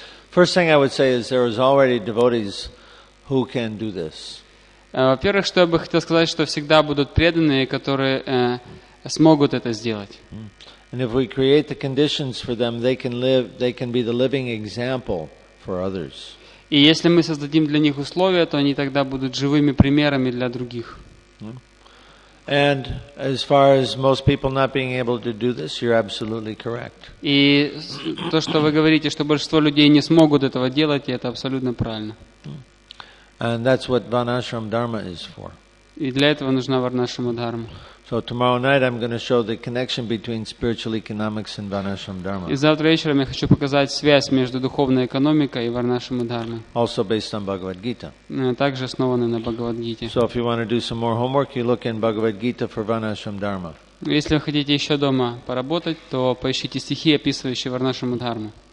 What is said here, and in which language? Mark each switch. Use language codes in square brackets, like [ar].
[en] First thing I would say is there is already devotees who can do this. [ru] Во-первых, что я бы хотел сказать, что всегда будут преданные, которые смогут это сделать. [en] And if we create the conditions for them, they can live, they can be the living example for others. [ru] И если мы создадим для них условия, то они тогда будут живыми примерами для других. [en] And as far as most people not being able to do this, you're absolutely correct. [ru] И то, что вы говорите, что большинство людей не смогут этого делать, это абсолютно правильно. [en] And that's what Vanashram Dharma is for. [ru] И для этого нужна Варнашрама Дхарма. [en] So tomorrow night I'm going to show the connection between spiritual economics and Varnashram Dharma. [ru] И завтра вечером я хочу показать связь между духовной экономикой и Варнашрам Дхармой. [en] Also based on Bhagavad Gita. [ru] Также основанный на Бхагавад Гите. [en] So if you want to do some more homework, you look in Bhagavad Gita for Varnashram Dharma. [ru] Если вы хотите еще дома поработать, то поищите стихи, описывающие Варнашрам Дхарму.